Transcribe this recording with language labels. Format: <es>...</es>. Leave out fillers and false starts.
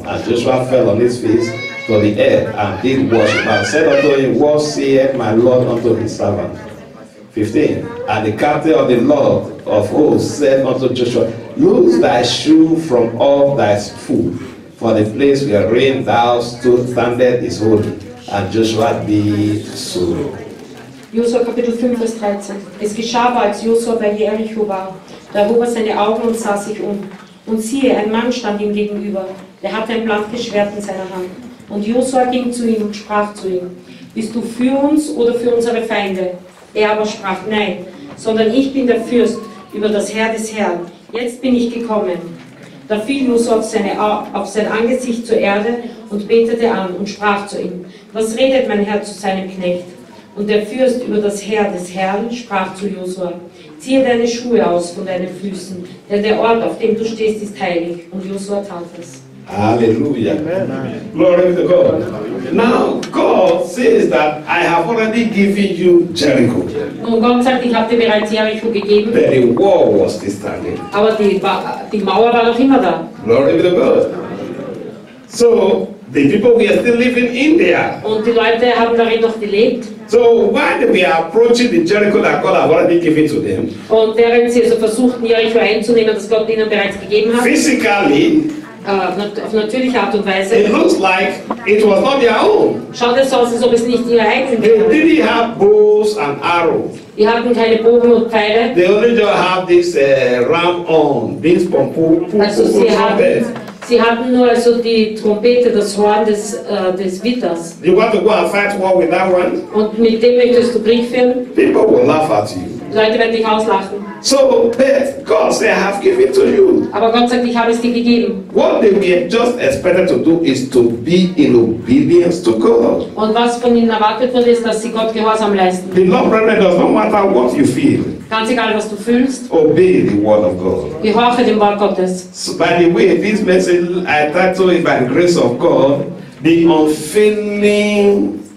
<en>And Joshua fell on his face to the earth and did worship, and said unto him, what seeth my Lord unto his servant? 15. And the captain of the Lord of hosts said unto Joshua, loose thy shoe from off thy foot, for the place wherein thou standest is holy. And Joshua did so.</en> <de>Josua Kapitel 5, Vers 13. Es geschah aber, als Josua bei Jericho war, da hob er seine Augen und sah sich um. Und siehe, ein Mann stand ihm gegenüber. Der hatte ein blankes Schwert in seiner Hand. Und Josua ging zu ihm und sprach zu ihm: Bist du für uns oder für unsere Feinde? Er aber sprach: Nein, sondern ich bin der Fürst über das Heer des Herrn. Jetzt bin ich gekommen. Da fiel Josua auf sein Angesicht zur Erde und betete an und sprach zu ihm: Was redet mein Herr zu seinem Knecht? Und der Fürst über das Heer des Herrn sprach zu Josua: Ziehe deine Schuhe aus von deinen Füßen, denn der Ort, auf dem du stehst, ist heilig. Und Josua tat es.</de> <en>Hallelujah. Glory to God. Now God says that I have already given you Jericho.</en> <de>Nun Gott sagt, ich habe dir bereits Jericho gegeben.</de> <en>But the wall was still standing.</en> <de>Aber die Mauer war noch immer da.</de> <en>Glory to God. So the people were still living in there.</en> <de>Und die Leute haben darin noch gelebt.</de> <en>So while we are approaching the Jericho that God has already given to them.</en> <de>Und während sie also versuchten, Jericho einzunehmen, das Gott ihnen bereits gegeben hat.</de> <en>Physically.</en> <de>Auf natürliche Art und Weise.</de> <en>It looks like it was not their own.</en> <de>Schaut es so aus, als ob es nicht ihr eigenes war.</de> <en>They didn't have bows and arrows.</en> <de>Die hatten keine Bogen und Pfeile.</de> <en>They only just have this ram on, this pompous.</en> <de>Also sie hatten nur also die Trompete, das Horn des Witters.</de> <en>You want to go and fight war with that one?</en> <de>Und mit dem möchtest du Krieg führen?</de> <en>People will laugh at you.</en> <de>Leute werden dich auslachen.</de> <en>So, but God said, "I have given it to you."</en> <de>Aber Gott sagt, ich habe es dir gegeben.</de> <en>What they were just expected to do is to be in obedience to God.</en> <de>Und was von ihnen erwartet wurde, ist, dass sie Gott Gehorsam leisten.</de> <en>The love prayer does not matter what you feel.</en> <de>Ganz egal, was du fühlst.</de> <en>Obey the word of God.</en> <de>Gehorche dem Wort Gottes.</de> <en>So, by the way, this message I title it by the grace of God, the unfailing.</en>